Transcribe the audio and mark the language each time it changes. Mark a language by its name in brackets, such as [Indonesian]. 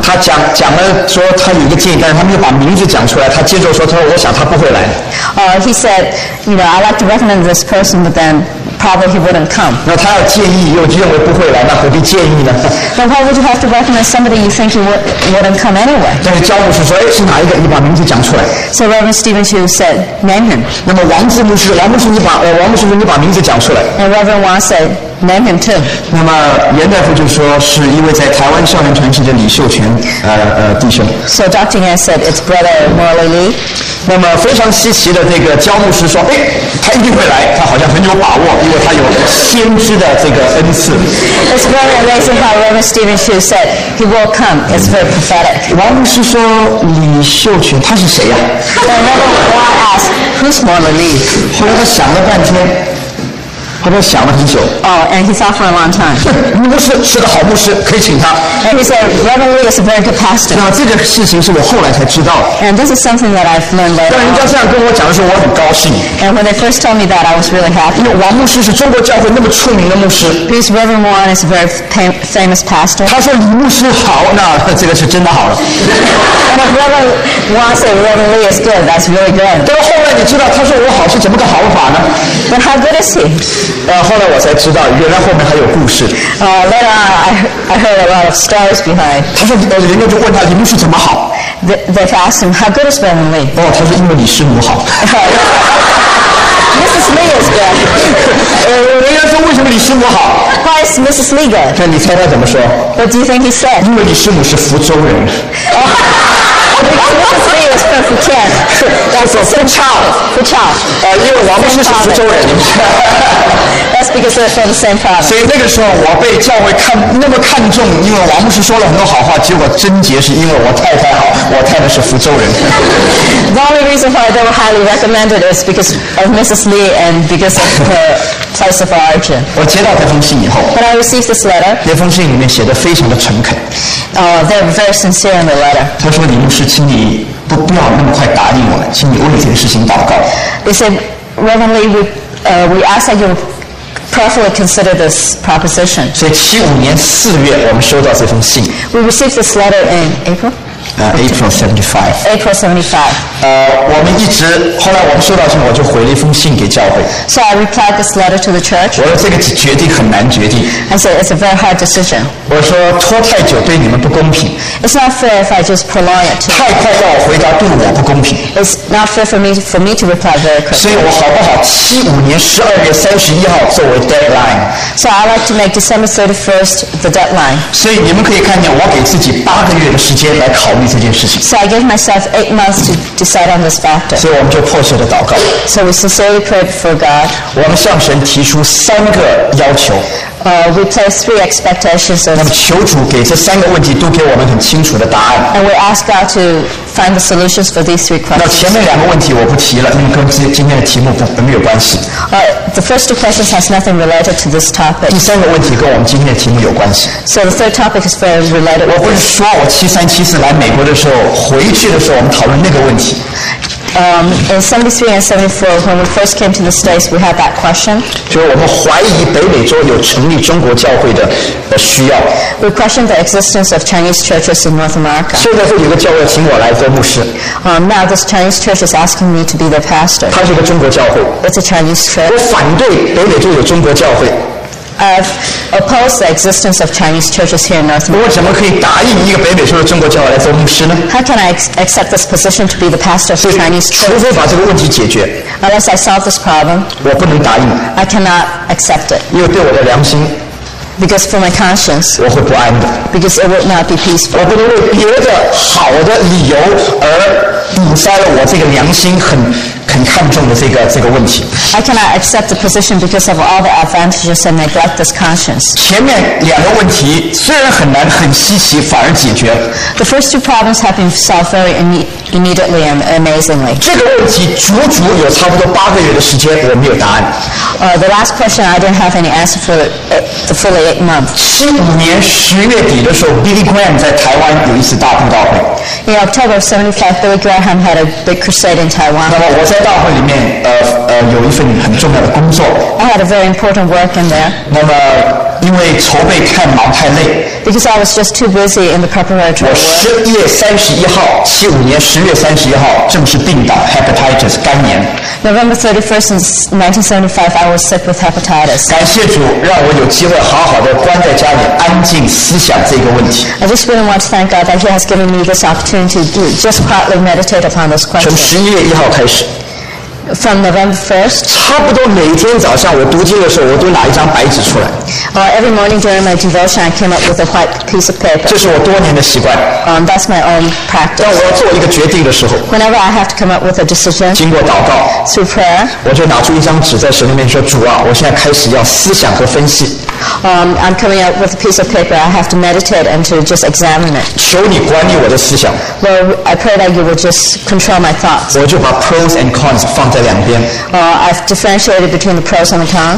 [Chinese] 他讲了说他有一个建议，但是他没有把名字讲出来。他接着说，他说我想他不会来。 [English] He said, you know, I'd like to recommend this person, but then probably he wouldn't come. [Chinese] 那他要建议又认为不会来，那何必建议呢？ [English] Then why would you have to recommend somebody you think wouldn't come anyway? [Chinese] 但是教牧师说，哎，是哪一个？你把名字讲出来。 [English] So Reverend Stephen Chu said, name him. [Chinese] 那么王牧师你把名字讲出来。 [English] And Reverend Wang said, name him too. [Chinese] 那么严大夫就说，是一位在台湾少年传奇的李秀全弟兄。 [English] So Dr. Yan said, it's Brother Morley Lee. [Chinese] 那么非常稀奇的这个教牧师说，哎，他一定会来，他好像很有把握，因为他有先知的这个恩赐。 [English] It's very amazing how Reverend Stephen Chu said he will come. It's very prophetic. [Chinese] 王牧师说李秀全他是谁呀？ [English] And Reverend Wang asked, who's Morley Lee? [Chinese] 后来他想了半天。他都想了很久。 [English] And he thought for a long time. [Chinese] 牧师是个好牧师，可以请他。 [English] And he said, Reverend Lee is a very good pastor. [Chinese] 那这个事情是我后来才知道。 [English] And this is something that I've learned later. [Chinese] 但人家这样跟我讲的时候，我很高兴。 [English] And when they first told me that, I was really happy. [Chinese] 因为王牧师是中国教会那么出名的牧师。 [English] Because Reverend Warren is a very famous pastor. [Chinese] 他说李牧师好，那这个是真的好了。 [English] And if Reverend Warren said Reverend Lee is good, that's really good. [Chinese] 但后来你知道，他说我好是怎么个好法呢？ [English] But how good is he? [Chinese] 后来我才知道，原来后面还有故事。 [English] Later on, I heard a lot of stories behind. [Chinese] 他说，人家就问他李牧师怎么好。 [English] They asked him how good is Reverend Lee. [Chinese] 哦，他说因为李师母好。 [English] Mrs. Lee is good. [Chinese] 人家说为什么李师母好 [English] ？Why is Mrs. Lee good？ [Chinese] 那你猜他怎么说 [English] ？What do you think he said？ [Chinese] 因为李师母是福州人。 [English] Mrs. Lee is from Fujian. That's Fujian. [Chinese] Fujian. 因为王牧师是福州人。 [English] because they're from the same family. [Chinese] 所以那个时候我被教会看那么看重，因为王牧师说了很多好话，结果贞洁是因为我太太好，我太太是福州人。 [English] The only reason why they were highly recommended is because of Mrs. Lee and because of her place of origin. [Chinese] 我接到这封信以后 [English] ，But I received this letter. [Chinese] 那封信里面写的非常的诚恳。 [English] They're very sincere in the letter. [Chinese] 他说李牧师，请你不要那么快答应我，请你为这件事情祷告。 [English] They said, Reverend Lee, we ask that you prayerfully consider this proposition. [Chinese] 所以1975年4月，我们收到这封信。 [English] We received this letter in April. April 75. [Chinese] 我们一直后来我们收到信，我就回了一封信给教会。 [English] So I replied this letter to the church. [Chinese] 我说这个决定很难决定。 [English] I said it's a very hard decision. [Chinese] 我说拖太久对你们不公平。 [English] It's not fair if I just prolong it. [Chinese] 太快叫我回答对我不公平。 [English] It's not fair for me to reply very quickly. [Chinese] 所以我好不好？ 75年12月31号作为 deadline. [English] So I like to make December 31st the deadline. [Chinese] 所以你们可以看见，我给自己8个月的时间来考。 [English] So I gave myself 8 months to decide on this factor. [Chinese] 所以我们就迫切的祷告。 [English] So we sincerely prayed for God. [Chinese] 我们向神提出三个要求。 [English] We place 3 expectations. [Chinese] 那么求主给这三个问题都给我们很清楚的答案。 [English] And we ask God to find the solutions for these 3 questions. [Chinese] 那前面两个问题我不提了，因为跟今天的题目没有关系。 [English] The first 2 questions has nothing related to this topic. [Chinese] 第三个问题跟我们今天的题目有关系。 [English] So the third topic is very related. [Chinese] 我不是说我7374来美国的时候，回去的时候我们讨论那个问题。 [English] In 73 and 74, when we first came to the States, we had that question. [Chinese] 就是我们怀疑北美洲有成立中国教会的需要。 [English] We questioned the existence of Chinese churches in North America. [Chinese] 现在是有个教会请我来做牧师。 [English] Now this Chinese church is asking me to be the pastor. [Chinese] 它是一个中国教会。 [English] It's a Chinese church. [Chinese] 我反对北美洲有中国教会。 [English] I've opposed the existence of Chinese churches here in North America. [Chinese] 我怎么可以答应一个北美洲的中国教会来做牧师呢？ [English] How can I accept this position to be the pastor of the Chinese church? [Chinese] 除非把这个问题解决。 [English] Unless I solve this problem. [Chinese] 我不能答应。 [English] I cannot accept it. [Chinese] 因为对我的良心。 [English] Because for my conscience. [Chinese] 我会不安的。 [English] Because it would not be peaceful. [Chinese] 我不能为别的好的理由而堵塞了我这个良心很看重的这个问题。 [English] I cannot accept the position because of all the advantages and neglect this conscience. [Chinese] 前面两个问题虽然很难很稀奇，反而解决了。 [English] The first 2 problems have been solved very immediately and amazingly. [Chinese] 这个问题足足有差不多8个月的时间，我没有答案。 [English] The last question I didn't have any answer for the fully 8 months. [Chinese] 75年10月底的时候 ，Billy Graham 在台湾有一次大布道会。 [English] In October of 75, Billy Graham had a big crusade in Taiwan. [Chinese] 那么我在大会里面，有一份很重要的工作。 [English] I had a very important work in there. [Chinese] 那么因为筹备太忙太累。 [English] Because I was just too busy in the preparatory work. [Chinese] 11月31号，75年10月31号，正式病倒 ，hepatitis 肝炎。 [English] November 31st, 1975, I was sick with hepatitis. [Chinese] 感谢主，让我有机会好好的关在家里，安静思想这个问题。 [English] I just really want to thank God that He has given me this opportunity to just partly meditate upon this question. [Chinese] 从11月1号开始。 [English] From November 1st. [Chinese] 差不多每天早上我读经的时候，我都拿一张白纸出来。 [English] Every morning during my devotion, I came up with a white piece of paper. [Chinese] 这是我多年的习惯。 [English] That's my own practice. [Chinese] 当我要做一个决定的时候 [English] ，Whenever I have to come up with a decision. [Chinese] 经过祷告 [English] ，Through prayer. [Chinese] 我就拿出一张纸在神面前说：“主啊，我现在开始要思想和分析。” [English] I'm coming up with a piece of paper. I have to meditate and to just examine it. [Chinese] 求你管理我的思想。 [English] Well, I pray that you will just control my thoughts. [Chinese] 我就把 pros and cons 放在两边。 [English] I've differentiated between the pros and the cons.